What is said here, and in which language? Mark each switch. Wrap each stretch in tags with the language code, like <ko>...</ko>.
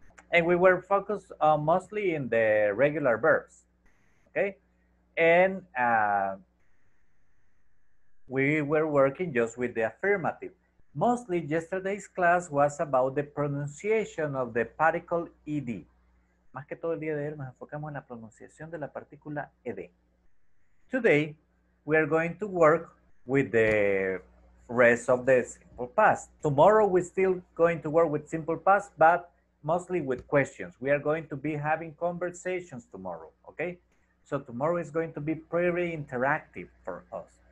<en>And we were focused mostly in the regular verbs. Okay? And we were working just with the affirmative. Mostly yesterday's class was about the pronunciation of the particle ed.</en> <es>Más que todo el día de ayer nos enfocamos en la pronunciación de la partícula ed.</es> <en>Today, we are going to work with the rest of the simple past. Tomorrow, we're still going to work with simple past, but mostly with questions. We are going to be having conversations tomorrow, okay? So tomorrow is going to be pretty interactive for us.</en>